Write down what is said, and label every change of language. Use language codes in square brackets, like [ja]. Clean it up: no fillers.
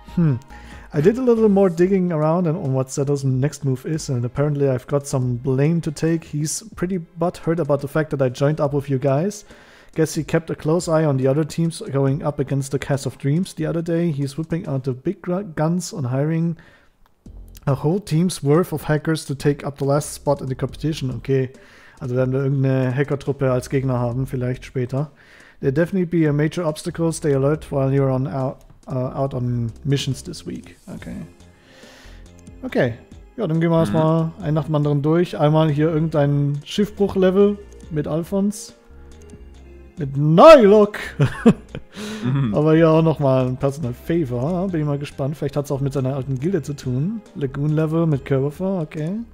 [en] I did a little more digging around and on what Zedo's next move is, and apparently I've got some blame to take. He's pretty butthurt about the fact that I joined up with you guys. Guess he kept a close eye on the other teams going up against the Cast of Dreams the other day. He's whipping out the big guns on hiring a whole team's worth of hackers to take up the last spot in the competition. [de] Okay, also werden wir irgendeine Hackertruppe als Gegner haben, vielleicht später. [en] There'll definitely be a major obstacle. Stay alert while you're on out on missions this week. Okay. [de] Okay, ja, dann gehen wir erstmal ein nach dem anderen durch. Einmal hier irgendein Schiffbruch-Level mit Alphons. Mit Nylock! Aber ja, auch nochmal ein Personal Favor. Bin ich mal gespannt. Vielleicht hat es auch mit seiner alten Gilde zu tun. Lagoon Level mit Curvifer, okay.